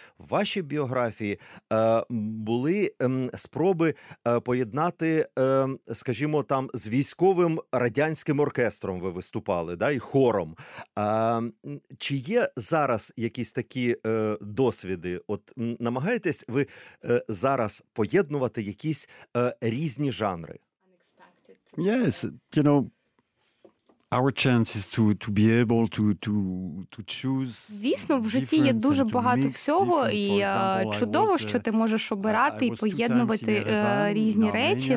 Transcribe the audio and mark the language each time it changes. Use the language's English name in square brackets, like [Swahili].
[Ukrainian] В вашій біографії були спроби поєднати, скажімо, там з військовим радянським оркестром ви виступали, да, і хором. Чи є зараз якісь такі досвіди? От намагаєтесь ви зараз поєднувати різні жанри? [English] Yes, you know, our chance is to be able to choose. [Ukrainian] Звісно, в житті є дуже багато всього, і чудово, що ти можеш обирати і поєднувати різні речі.